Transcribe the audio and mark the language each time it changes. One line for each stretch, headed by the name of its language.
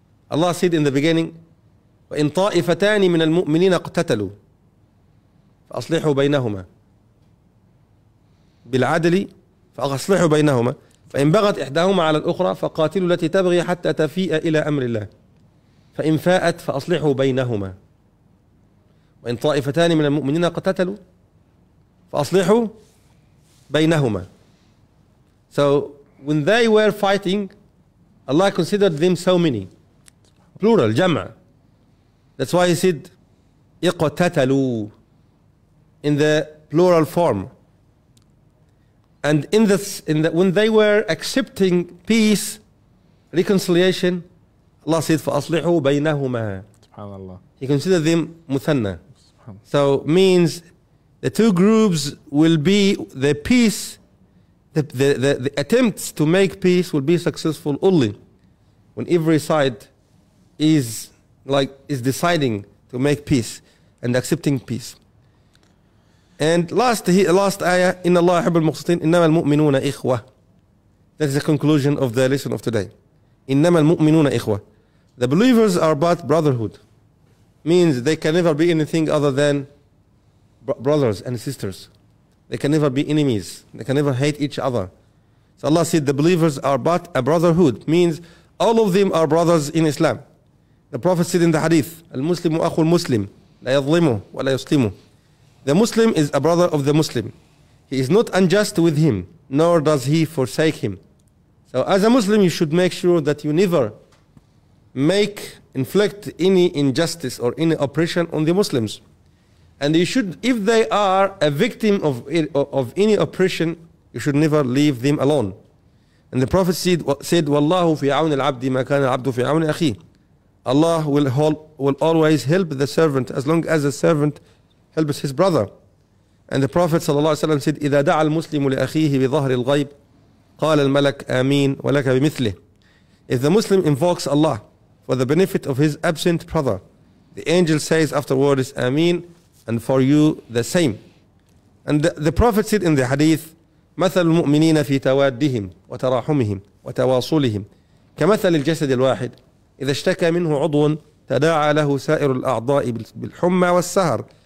Arabic: Allah said in the beginning, وَإِن طَائِفَتَانِ مِنَ الْمُؤْمِنِينَ اقْتَتَلُوا فَأَصْلِحُوا بَيْنَهُمَا بِالْعَدْلِ فَأَصْلِحُوا بَيْنَهُمَا فَإِن بَغَتْ إِحْدَاهُمَا عَلَى الْأُخْرَى فَقَاتِلُوا الَّتِي تَبْغِي حَتَّى تَفِيءَ إِلَى أَمْرِ اللَّهِ فَإِن فَاءَتْ فَأَصْلِحُوا بَيْنَهُمَا وَإِن طَائِفَتَانِ مِنَ الْمُؤْمِنِينَ اقْتَتَلُوا فَأَصْلِحُوا بَيْنَهُمَا.
English: So when they were fighting, Allah considered them so many. Plural, جمع. That's why he said, اقتتلوا, in the plural form. And when they were accepting peace, reconciliation, Allah said, فَأَصْلِحُوا بَيْنَهُمَا. SubhanAllah. He considered them مثنى. So means the two groups will be the peace, the attempts to make peace will be successful only when every side is deciding to make peace and accepting peace. And last ayah,
Arabic: إِنَّ اللَّهَ يُحِبُّ الْمُقْسِطِينَ إِنَّمَا الْمُؤْمِنُونَ إِخْوَةَ.
English: That is the conclusion of the lesson of today.
Arabic: إِنَّمَا الْمُؤْمِنُونَ إِخْوَةَ.
English: The believers are but brotherhood. Means they can never be anything other than brothers and sisters. They can never be enemies. They can never hate each other. So Allah said the believers are but a brotherhood. Means all of them are brothers in Islam. The Prophet said in the hadith,
Arabic: المسلم أخو المسلم لا يظلمه ولا يسلمه.
English: The Muslim is a brother of the Muslim. He is not unjust with him, nor does he forsake him. So as a Muslim, you should make sure that you never inflict any injustice or any oppression on the Muslims. And you should, if they are a victim of any oppression, you should never leave them alone. And the Prophet said,
Arabic: وَاللَّهُ فِي عَوْنِ الْعَبْدِ مَا كَانَ الْعَبْدُ فِي عَوْنِ أَخِيهِ.
English: Allah will always help the servant as long as the servant helps his brother. And the Prophet ﷺ said,
Arabic: إِذَا دَعَ الْمُسْلِمُ لِأَخِيهِ بِظَهْرِ الْغَيْبِ قَالَ الْمَلَكُ آمِينَ وَلَكَ بِمِثْلِهِ.
English: If the Muslim invokes Allah for the benefit of his absent brother, the angel says afterwards, Ameen, and for you the same. And the Prophet said in the hadith,
Arabic: مَثَلُ الْمُؤْمِنِينَ فِي تَوَادِّهِمْ وَتَرَاحُمِهِمْ وَتَوَاصُولِهِمْ كَمَثَلِ الْجَسَدِ الْوَاحِدِ إِذَا اشْتَكَى مِنْهُ عُضْوٌ تَدَاعَى لَهُ سَائِرُ الْأَعْضَاءِ بِالْحُمَّى وَالسَّهَرِ.